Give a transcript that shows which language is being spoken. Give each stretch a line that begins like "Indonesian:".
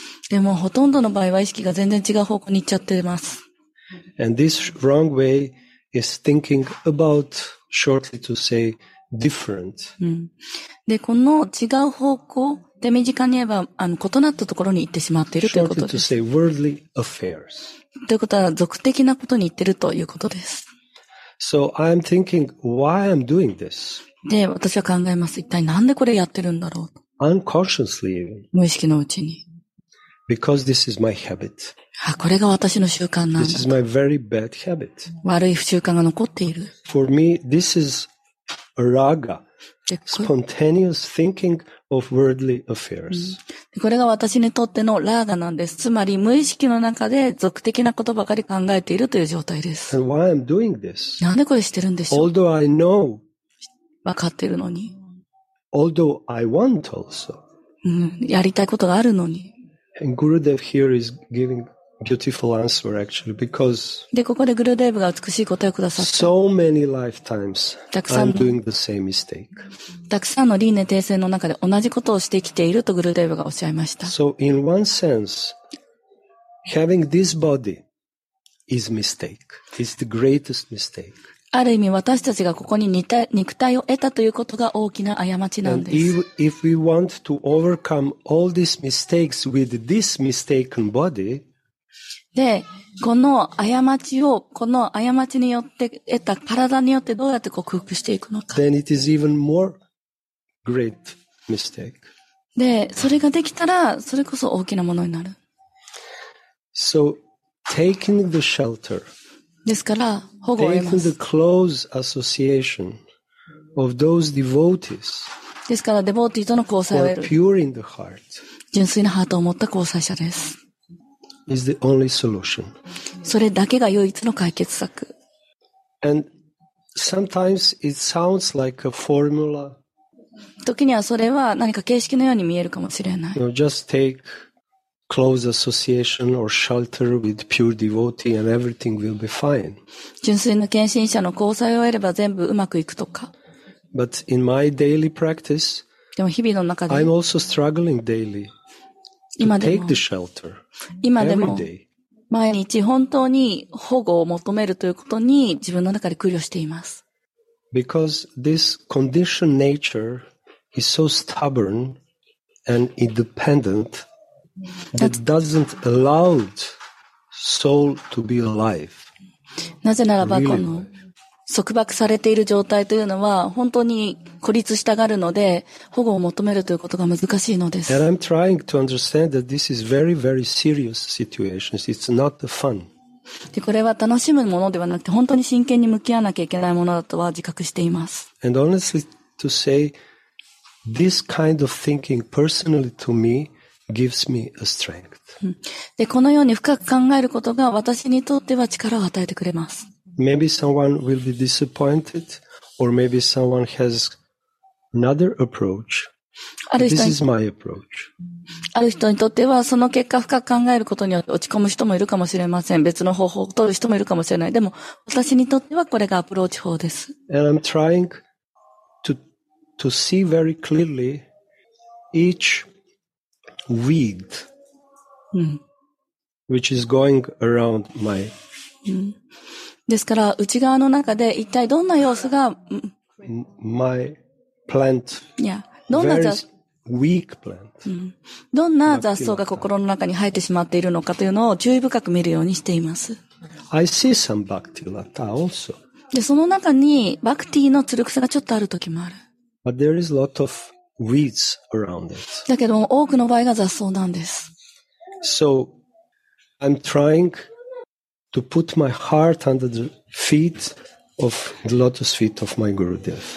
Japanese: でもほとんどの場合は意識が全然違う方向に行っちゃっています。
English: And this wrong way is thinking about, shortly to say, different.
Japanese: で、この違う方向で身近に言えば、異なったところに行ってしまっているということです。
English: Shortly to say, worldly affairs.
Japanese: ということは、俗的なことに行ってるということです。
English: So I'm thinking why I'm doing this.
Japanese: で、私は考えます。一体なんでこれやってるんだろうと。
English: Unconsciously.
Japanese: 無意識のうちに。
English: Because this is my habit.
Japanese: あ、これが私の習慣なんだ。
English: This is my very bad habit.
Japanese: 悪い不習慣が残っている。
English: For me, this is raga. Spontaneous thinking of worldly affairs.
Japanese: これが私にとってのラーガなんです。つまり無意識の中で俗的なことばかり考えているという状態です。
English: And why I'm doing this?
Japanese: なんでこれしてるんでしょう。
English: Although I know.
Japanese: わかってるのに。
English: Although I want also.
Japanese: やりたいことがあるのに。
English: And Gurudev here is giving beautiful answer actually because.
Japanese: で、ここでグルデーブが美しい答えをくださった。
English: So many lifetimes. I'm doing the same mistake.
Japanese: たくさんの輪廻転生の中で同じことをしてきているとグルデーブがおっしゃいました。
English: So in one sense, having this body is mistake. It's the greatest mistake.
Japanese: ある意味私たちがここに肉体を得たということが大きな過ちなんです。
English: And if we want to overcome all these mistakes with this mistaken body,
Japanese: で、この過ちを、この過ちによって得た体によってどうやって克服していくのか。
English: Then it is even more great mistake.
Japanese: で、それができたら、それこそ大きなものになる。
English: So, taking the shelter.
Japanese: ですから、保護を得ます。
English: Taking the close association of those devotees.
Japanese: ですから、デボーティーとの交際を得る。
English: Who are pure in the heart.
Japanese: 純粋なハートを持った交際者です。
English: Is the only solution.
Japanese: それだけが唯一の解決策。
English: And sometimes it sounds like a formula.
Japanese: 時にはそれは何か形式のように見えるかもしれない。
English: No, just take close association or shelter with pure devotee and everything will be fine.
Japanese: 純粋な献身者の交際を得れば全部うまくいくとか。
English: But in my daily practice,
Japanese: でも日々の中で、
English: I'm also struggling daily. Take the shelter.
Japanese: 今でも毎日本当に保護を求めるということに自分の中で苦慮しています。
English: Because this conditioned nature is so stubborn and independent that doesn't allow soul to be alive.
Japanese: なぜならばこの束縛されている状態というのは本当に孤立したがるので保護を求めるということが難しいのです。
English: And I'm trying to understand that this is very, very serious situation. It's not the fun.
Japanese: で、これは楽しむものではなくて本当に真剣に向き合わなきゃいけないものだとは自覚しています。
English: And honestly to say, this kind of thinking personally to me gives me a strength.
Japanese: で、このように深く考えることが私にとっては力を与えてくれます。
English: Maybe someone will be disappointed, or maybe someone has another approach. This is my approach.
Japanese: ある人にとってはその結果深く考えることによって落ち込む人もいるかもしれません。別の方法を取る人もいるかもしれない。でも私にとってはこれがアプローチ法です。
English: And I'm trying to see very clearly each weed which is going around my.
Japanese: ですから内側の中で一体どんな様子が
English: my plant very weak plant
Japanese: どんな雑草が心の中に生えてしまっているのかというのを注意深く見るようにしています。
English: I see some bhakti lata also.
Japanese: でその中にバクティのつる草がちょっとある時もある。
English: But there is lot of weeds around it.
Japanese: だけど多くの場合が雑草なんです。
English: So I'm tryingto put my heart under the feet of the lotus feet of my Gurudev.